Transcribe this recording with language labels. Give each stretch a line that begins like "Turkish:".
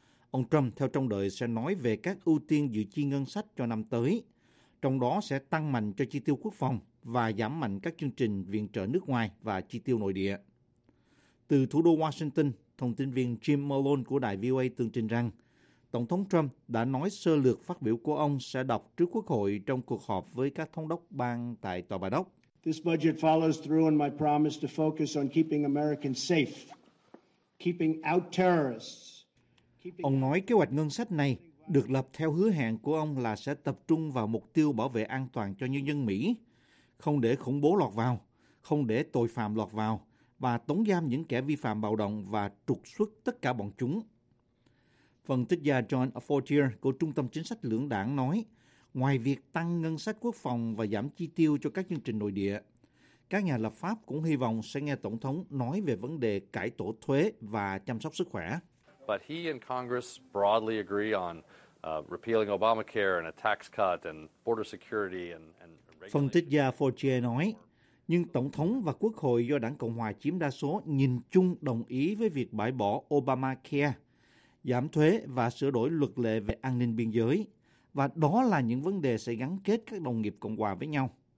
Vietnamese: Ông Trump theo trông đợi sẽ nói về các ưu tiên dự chi ngân sách cho năm tới, trong đó sẽ tăng mạnh cho chi tiêu quốc phòng và giảm mạnh các chương trình viện trợ nước ngoài và chi tiêu nội địa. Từ thủ đô Washington, thông tin viên Jim Malone của đài VOA tường trình rằng, Tổng thống Trump đã nói sơ lược phát biểu của ông sẽ đọc trước Quốc hội trong cuộc họp với các thống đốc bang tại Tòa Bạch Ốc.
English: This budget follows through on my promise to focus on keeping Americans safe, keeping out terrorists.
Vietnamese: Ông nói kế hoạch ngân sách này được lập theo hứa hẹn của ông là sẽ tập trung vào mục tiêu bảo vệ an toàn cho nhân dân Mỹ, không để khủng bố lọt vào, không để tội phạm lọt vào và tống giam những kẻ vi phạm bạo động và trục xuất tất cả bọn chúng. Phân tích gia John Fortier của Trung tâm Chính sách Lưỡng Đảng nói, ngoài việc tăng ngân sách quốc phòng và giảm chi tiêu cho các chương trình nội địa, các nhà lập pháp cũng hy vọng sẽ nghe Tổng thống nói về vấn đề cải tổ thuế và chăm sóc sức khỏe.
English: But he and Congress broadly agree on repealing Obamacare and a tax cut and border security and
Vietnamese: phân tích gia Fortier nói, nhưng Tổng thống và Quốc hội do Đảng Cộng Hòa chiếm đa số nhìn chung đồng ý với việc bãi bỏ Obamacare, giảm thuế và sửa đổi luật lệ về an ninh biên giới, và đó là những vấn đề sẽ gắn kết các đồng nghiệp Cộng Hòa với nhau.